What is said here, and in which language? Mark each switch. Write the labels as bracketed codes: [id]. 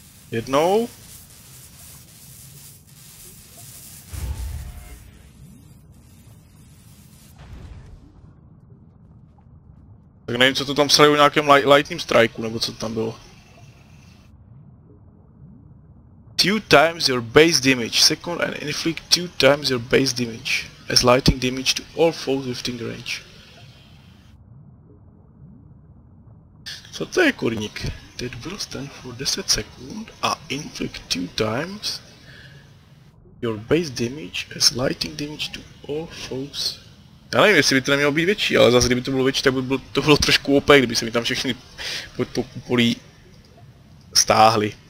[cs] Jednou. Tak nevím, co to tam sraje o nějakém lightning strikeu, nebo co to tam bylo. [en] Two times your base damage. Second and inflict two times your base damage. As lightning damage to all foes within range. [cs] Co to je kurník? [en] That will stand for 10 second and inflict 2 times your base damage as lightning damage to all foes. [cs] Já nevím, jestli by to nemělo být větší, ale zase kdyby to bylo větší, tak by bylo, to bylo trošku OP, kdyby se mi tam všechny pod pokupolí stáhly.